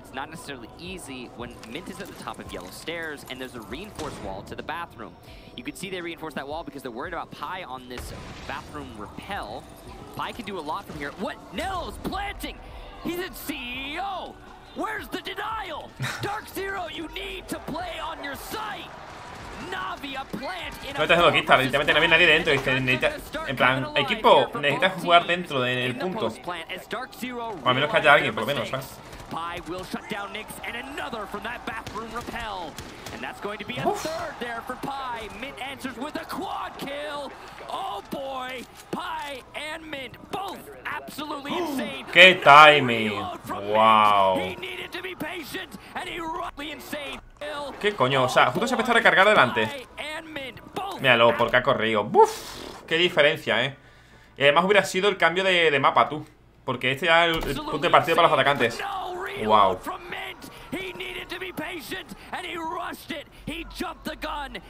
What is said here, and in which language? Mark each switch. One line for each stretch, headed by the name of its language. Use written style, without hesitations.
English: It's not necessarily easy when Mint is at the top of Yellow Stairs and there's a reinforced wall to the bathroom. You can see they reinforced that wall because they're worried about Pi on this bathroom repel. Pi can do a lot from here. What? Nell's planting! He's at CEO! Where's the denial? Dark Zero, you need to play on your site!
Spanish: No te tengo aquí, está, literalmente no había nadie dentro. Dice, necesita, en plan, equipo, necesitas jugar dentro del de, punto. O al menos que haya alguien, por lo menos, ¿sabes?
English: Pi will shut down Nyx and another from that bathroom repel. And that's going to be a third there for Pi. Mint answers with a quad kill. Oh boy, Pi and Mint both absolutely insane.
Spanish: Qué timing. Wow.
English: He needed to be patient and he really insane.
Spanish: Qué coño, o sea, justo se empezó a recargar delante. Míralo, porque ha corrido. ¡Buf! Qué diferencia, eh. Y además hubiera sido el cambio de mapa, tú. Porque este ya es el punto de partida para los atacantes.
English: Wow. And he rushed it. He jumped the gun.